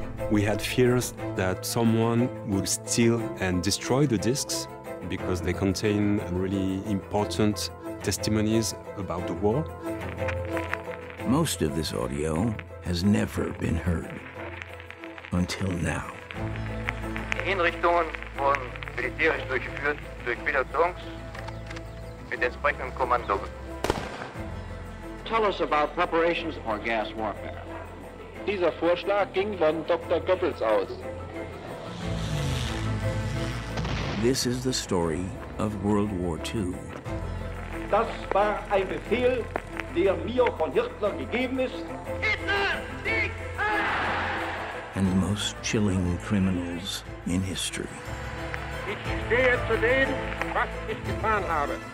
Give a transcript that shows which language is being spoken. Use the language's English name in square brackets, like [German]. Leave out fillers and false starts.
[English] We had fears that someone would steal and destroy the discs because they contain really important testimonies about the war. Most of this audio has never been heard. Until now. [German] Die Hinrichtungen wurden militärisch durchgeführt durch Pilotons mit entsprechendem Kommando. [English] Tell us about preparations for gas warfare. [German] Dieser Vorschlag ging von Dr. Goebbels aus. [English] This is the story of World War II. [German] Das war ein Befehl, der mir von Hitler gegeben ist. Hitler! [English] And the most chilling criminals in history. [German] Ich stehe zu dem, was ich getan habe.